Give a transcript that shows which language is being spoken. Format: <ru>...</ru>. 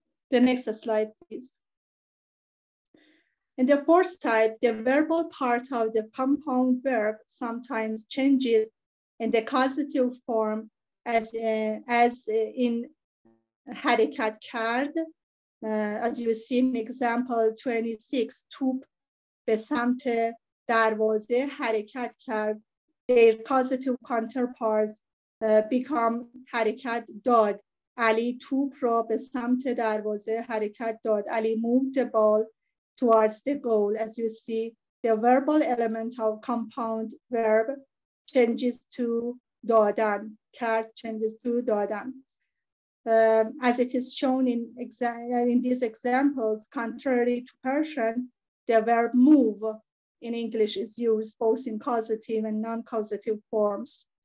<en>The next slide, please. In the fourth type, the verbal part of the compound verb sometimes changes in the causative form, as in harakat kard, As you see in example 26,</en> <fa>توپ به سمت دروازه حرکت کرد.</fa> <en>Their causative counterparts become</en> <fa>حرکت داد. علی توپ را به سمت دروازه حرکت داد.</fa> <en>Ali moved the ball towards the goal. As you see, the verbal element of compound verb changes to دادن. کرد changes to دادن. As it is shown in these examples, contrary to Persian, the verb move in English is used both in causative and non-causative forms.</en>